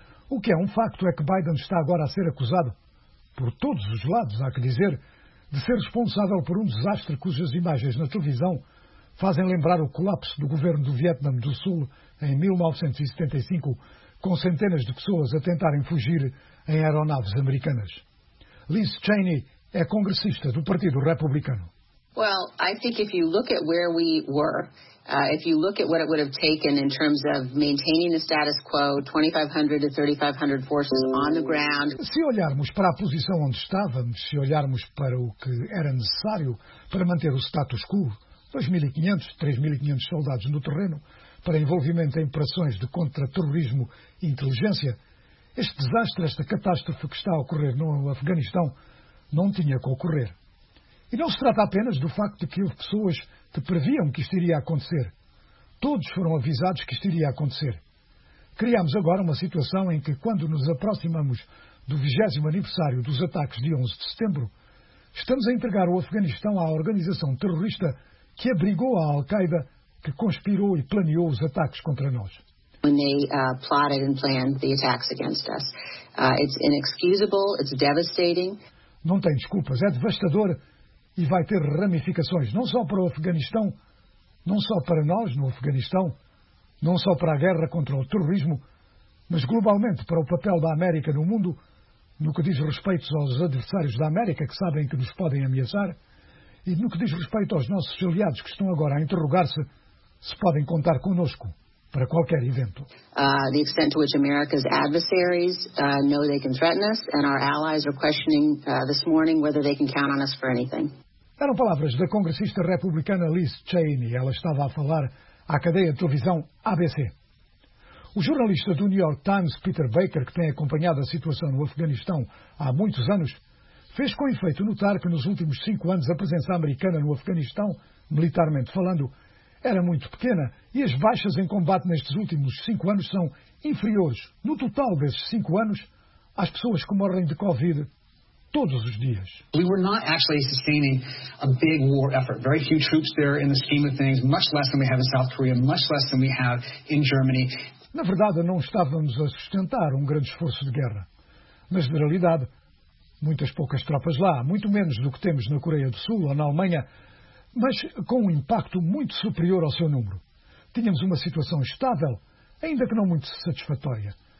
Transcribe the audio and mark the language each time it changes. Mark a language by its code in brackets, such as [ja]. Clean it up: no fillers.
[pt] O que é um facto é que Biden está agora a ser acusado, por todos os lados, há que dizer, de ser responsável por um desastre cujas imagens na televisão fazem lembrar o colapso do governo do Vietnã do Sul em 1975, com centenas de pessoas a tentarem fugir em aeronaves americanas. Liz Cheney é congressista do Partido Republicano. [en] Well, I think if you look at where we were, if you look at what it would have taken in terms of maintaining the status quo, 2,500 to 3,500 forces on the ground. [pt] Se olharmos para a posição onde estávamos, se olharmos para o que era necessário para manter o status quo, 2.500, 3.500 soldados no terreno, para envolvimento em operações de contra-terrorismo e inteligência, este desastre, esta catástrofe que está a ocorrer no Afeganistão, não tinha que ocorrer. E não se trata apenas do facto de que houve pessoas que previam que isto iria acontecer. Todos foram avisados que isto iria acontecer. Criamos agora uma situação em que, quando nos aproximamos do 20º aniversário dos ataques de 11 de setembro, estamos a entregar o Afeganistão à organização terrorista que abrigou a Al-Qaeda, que conspirou e planeou os ataques contra nós. [en] When they plotted and planned the attacks against us. It's inexcusable, it's devastating. [pt] Não tem desculpas, é devastador e vai ter ramificações, não só para o Afeganistão, não só para nós no Afeganistão, não só para a guerra contra o terrorismo, mas globalmente para o papel da América no mundo, no que diz respeito aos adversários da América que sabem que nos podem ameaçar, e no que diz respeito aos nossos aliados que estão agora a interrogar-se se podem contar connosco para qualquer evento. [en] The extent to which America's adversaries know they can threaten us, and our allies are questioning this morning whether they can count on us for anything. [pt] Eram palavras da congressista republicana Liz Cheney. Ela estava a falar à cadeia de televisão ABC. O jornalista do New York Times, Peter Baker, que tem acompanhado a situação no Afeganistão há muitos anos, fez com efeito notar que nos últimos 5 anos a presença americana no Afeganistão, militarmente falando, era muito pequena e as baixas em combate nestes últimos 5 anos são inferiores, no total desses 5 anos, às pessoas que morrem de Covid todos os dias. [en] We were not actually sustaining a big war effort. Very few troops there in the scheme of things, much less than we have in South Korea, much less than we have in Germany. [pt] Na verdade, não estávamos a sustentar um grande esforço de guerra. Na generalidade, muitas poucas tropas lá, muito menos do que temos na Coreia do Sul ou na Alemanha, mas com um impacto muito superior ao seu número. Tínhamos uma situação estável, ainda que não muito satisfatória.